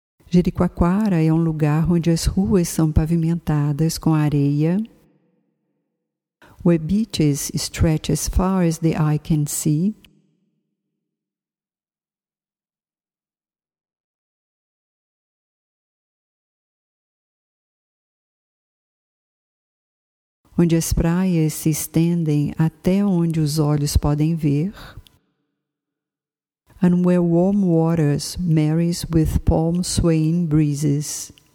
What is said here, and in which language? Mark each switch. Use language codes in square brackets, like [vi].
[pt] Jericoacoara é um lugar onde as ruas são pavimentadas com areia. [en] Where beaches stretch as far as the eye can see. [pt] Onde as praias se estendem até onde os olhos podem ver. [en] And where warm waters marries with palm swaying breezes.